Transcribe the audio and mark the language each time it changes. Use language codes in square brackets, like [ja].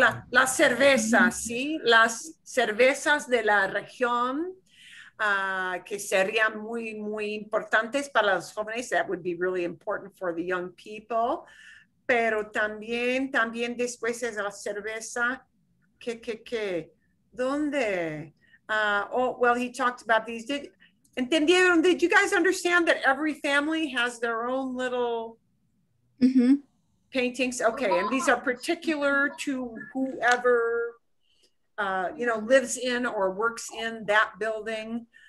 [es] La cerveza, sí, las cervezas de la región que serían muy, muy importantes para los jóvenes. [en] That would be really important for the young people. [es] Pero también después es la cerveza que, ¿dónde? [en] He talked about these. Did you guys understand that every family has their own little... Mm-hmm. Paintings. Okay. And these are particular to whoever, you know, lives in or works in that building.